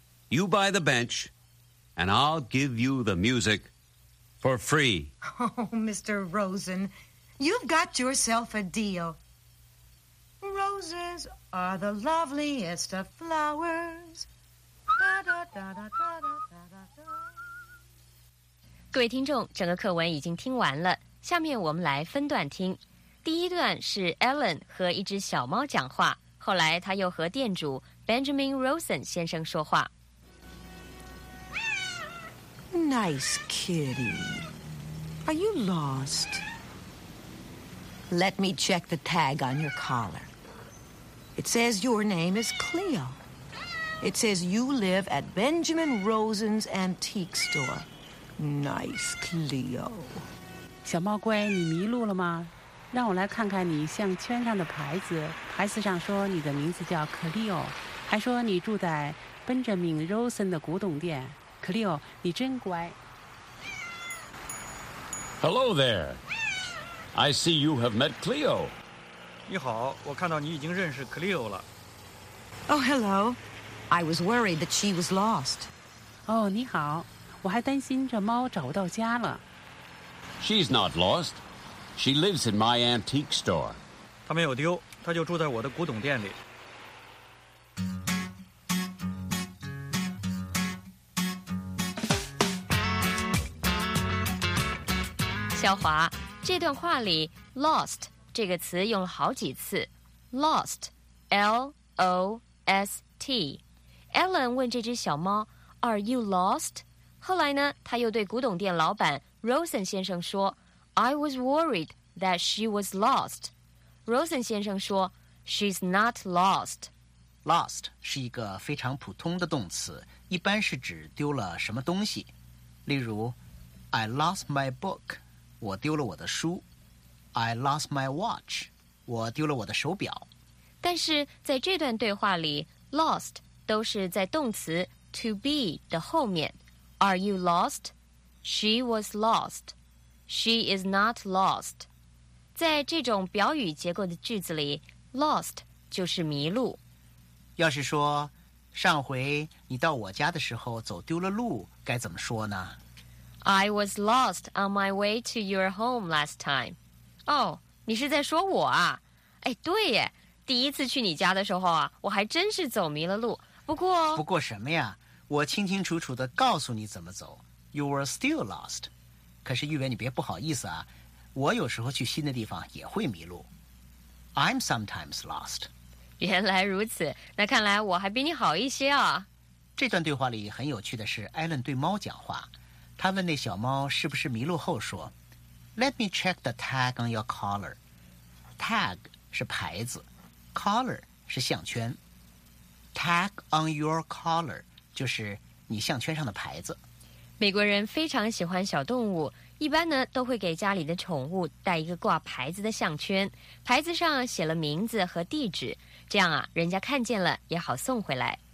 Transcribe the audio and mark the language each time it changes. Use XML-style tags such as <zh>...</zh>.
<en>You buy the bench, and I'll give you the music for free. Oh, Mr. Rosen, you've got yourself a deal. Roses are the loveliest of flowers. Da, da, da, da, da, da, da, da.</en> <zh>各位听众，整个课文已经听完了，下面我们来分段听。第一段是 Ellen 和一只小猫讲话，后来他又和店主 Benjamin Rosen 先生说话。</zh> <en>Nice kitty. Are you lost? Let me check the tag on your collar. It says your name is Cleo. It says you live at Benjamin Rosen's antique store. Nice Cleo.</en> <zh>小猫乖，你迷路了吗？让我来看看你项圈上的牌子，牌子上说你的名字叫 Cleo， 还说你住在 Benjamin Rosen 的古董店。 Cleo， 你真乖。</zh> <en>Hello there. I see you have met Cleo.</en> <zh>你好，我看到你已经认识 Cleo 了。</zh> <en>Oh, hello. I was worried that she was lost.</en> <zh>哦、oh, ，你好，我还担心这猫找不到家了。</zh> <en>She's not lost. She lives in my antique store.</en> <zh>她没有丢，她就住在我的古董店里。小华，这段话里 lost 这个词用了好几次。</zh> <en>Lost, L-O-S-T.</en> <zh>Ellen 问这只小猫 ,</zh> <en>Are you lost?</en> <zh>后来呢他又对古董店老板 Rosen 先生说 ,</zh> <en>I was worried that she was lost. Rosen</en> <zh>先生说</zh> <en>,She's not lost.</en> <zh>Lost 是一个非常普通的动词，一般是指丢了什么东西。例如</zh> <en>,I lost my book.</en> <zh>我丢了我的书 ，</zh> <en>I lost my watch，</en> <zh>我丢了我的手表。但是在这段对话里 ，lost 都是在动词 to be 的后面。</zh> <en>Are you lost? She was lost. She is not lost.</en> <zh>在这种表语结构的句子里 ，lost 就是迷路。要是说上回你到我家的时候走丢了路，该怎么说呢？</zh> <en>I was lost on my way to your home last time.</en> <zh>哦、oh, ，你是在说我啊？哎，对耶，第一次去你家的时候啊，我还真是走迷了路。不过什么呀？我清清楚楚地告诉你怎么走。</zh> <en>You were still lost.</en> <zh>可是玉伟，你别不好意思啊，我有时候去新的地方也会迷路。</zh> <en>I'm sometimes lost.</en> <zh>原来如此，那看来我还比你好一些啊。这段对话里很有趣的是，艾伦对猫讲话。他问那小猫是不是迷路后说</zh> <en>Let me check the tag on your collar.</en> <zh>Tag 是牌子， collar 是项圈。</zh> <en>Tag on your collar</en> <zh>就是你项圈上的牌子。美国人非常喜欢小动物，一般呢都会给家里的宠物带一个挂牌子的项圈，牌子上写了名字和地址，这样啊人家看见了也好送回来。</zh>